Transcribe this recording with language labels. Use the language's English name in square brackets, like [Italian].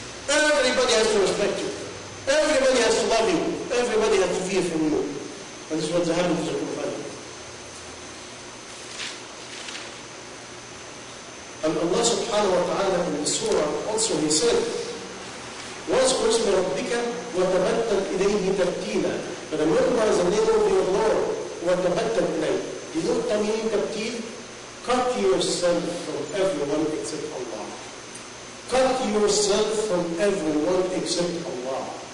[English] Everybody has to respect you. Everybody has to love you. Everybody has to fear from you. And this is what the habit of the Prophet. And Allah subhanahu wa ta'ala in the surah also He said, once [Arabic] اسم ربك وتبتل إليه تبتيلا. [English] But remember the name of your Lord, [Arabic] وتبتل إليه. [English] You know what I mean, تبتيل? Cut yourself from everyone except Allah. Cut yourself from everyone except Allah.